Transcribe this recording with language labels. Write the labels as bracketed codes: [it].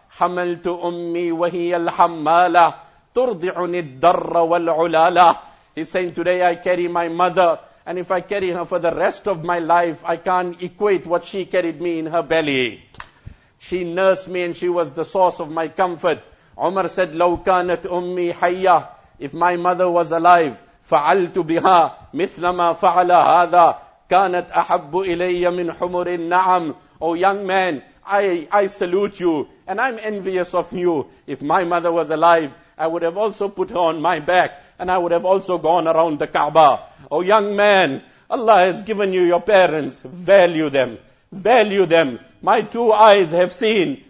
[ar] Hamaltu ummi wa hiya al-hammala turdi'uni ad-darra wal-ulala. [en] He's saying, today I carry my mother, and if I carry her for the rest of my life, I can't equate what she carried me in her belly. She nursed me and she was the source of my comfort. Umar said, [ar] لو كانت أمي حيا, [en] if my mother was alive, [ar] فعلت بها مثل ما فعل هذا كانت أحب إلي من حمر النعم. [en] Oh young man, I salute you and I'm envious of you. If my mother was alive, I would have also put her on my back and I would have also gone around the Kaaba. Oh young man, Allah has given you your parents. Value them. Value them. My two eyes have seen.